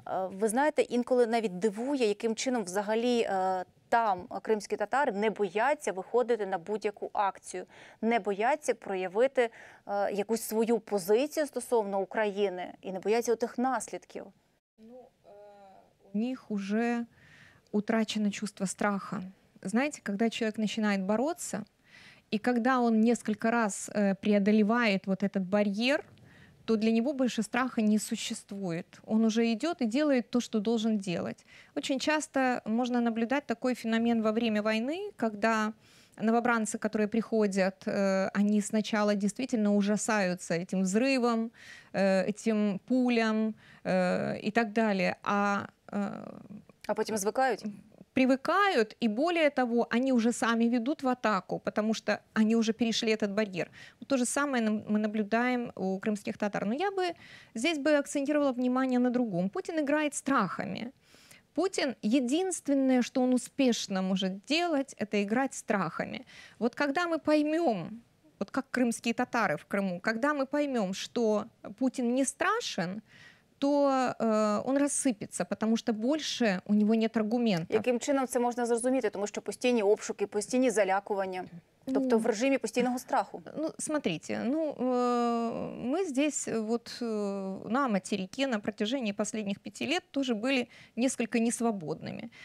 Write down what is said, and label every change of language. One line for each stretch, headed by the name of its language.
Ukrainian: Ви знаєте, інколи навіть дивує, яким чином взагалі там кримські татари не бояться виходити на будь-яку акцію, не бояться проявити якусь свою позицію стосовно України і не бояться отих наслідків. Ну, у них вже втрачене чувство страху.
Russian: Знаете, когда человек начинает бороться, и когда он несколько раз преодолевает вот этот барьер, то для него больше страха не существует. Он уже идет и делает то, что должен делать. Очень часто можно наблюдать такой феномен во время войны, когда новобранцы, которые приходят, они сначала действительно ужасаются этим взрывом, этим пулям и так далее. А потом звыкают? Привыкают, и более того, они уже сами ведут в атаку, потому что они уже перешли этот барьер. Вот то же самое мы наблюдаем у крымских татар. Но я бы здесь бы акцентировала внимание на другом. Путин играет страхами. Путин, единственное, что он успешно может делать, это играть страхами. Вот когда мы поймем, вот как крымские татары в Крыму, когда мы поймем, что Путин не страшен, то он
Ukrainian: розсипеться, тому що більше у нього нет аргументів. Яким чином це можна зрозуміти? Тому що постійні обшуки, постійні залякування. Тобто в режимі постійного страху.
Russian: Ну, смотрите, ну, мы здесь вот на материке на протяжении последних 5 лет тоже были несколько несвободными.